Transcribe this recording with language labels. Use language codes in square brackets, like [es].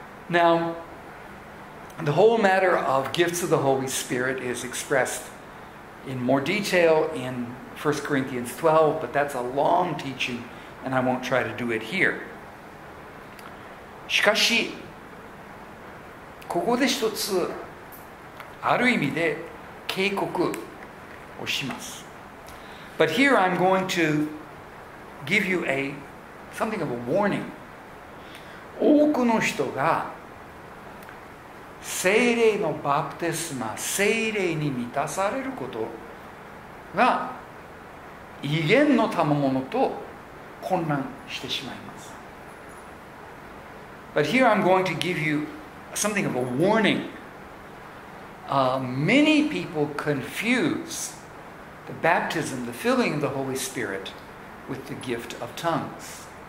[en] Now the whole matter of gifts of the Holy Spirit is expressed in more detail in 1 Corinthians 12, but that's a long teachingAnd I won't try to do it here. [ja] しかし、ここで一つある意味で警告をします。 [en] But here I'm going to give you something of a warning. [ja] 多くの人が聖霊のバプテスマ、聖霊に満たされることが異言の賜物と混乱してしまいます。 [en] But here I'm going to give you something of a warning. Many people confuse the baptism, the filling of the Holy Spirit, with the gift of tongues.